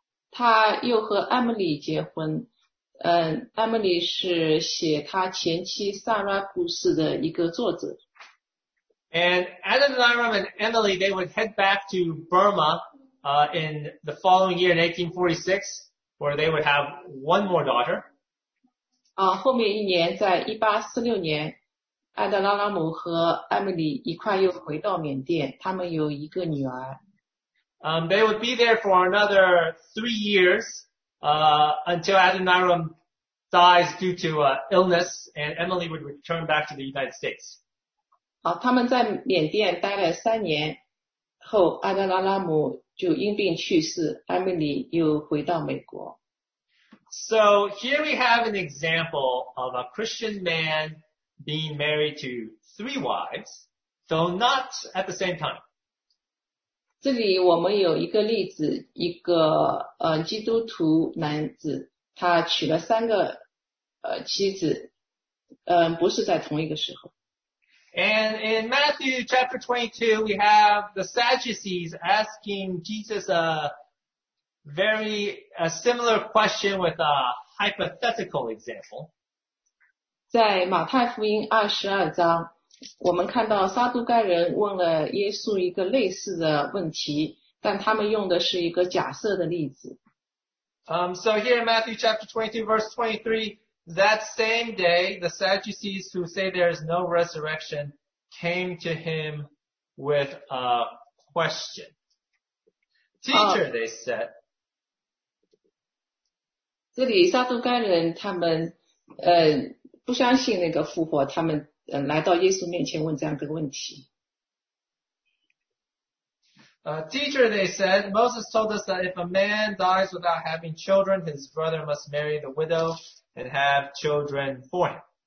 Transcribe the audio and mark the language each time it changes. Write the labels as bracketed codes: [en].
[zh] 他又和 Emily 结婚，Emily 是写他前妻 Sarah 故事的一个作者。 [en] And Adoniram and Emily, they would head back to Burma, in the following year, in 1846, where they would have one more daughter. [zh] 后面一年，在1846年，艾德拉拉姆和 Emily 一块又回到缅甸，他们有一个女儿。 [en] They would be there for another 3 years, until Adoniram dies due to illness, and Emily would return back to the United States. [zh] 他们在缅甸待了三年后，艾德拉拉姆就因病去世， Emily 又回到美国。 [en] So here we have an example of a Christian man being married to three wives, though not at the same time. [zh] 这里我们有一个例子，一个基督徒男子，他娶了三个妻子，不是在同一个时候。 [en] And in Matthew chapter 22, we have the Sadducees asking Jesus a similar question with a hypothetical example. [zh] 在马太福音22章，我们看到撒都该人问了耶稣一个类似的问题，但他们用的是一个假设的例子。 [en] So here in Matthew chapter 22, verse 23, that same day, the Sadducees who say there is no resurrection came to him with a question. Teacher, they said, [zh] 这里撒都该人他们不相信那个复活，他们来到耶稣面前问这样的问题。 [en] Teacher, they said, Moses told us that if a man dies without having children, his brother must marry the widow and have children for him.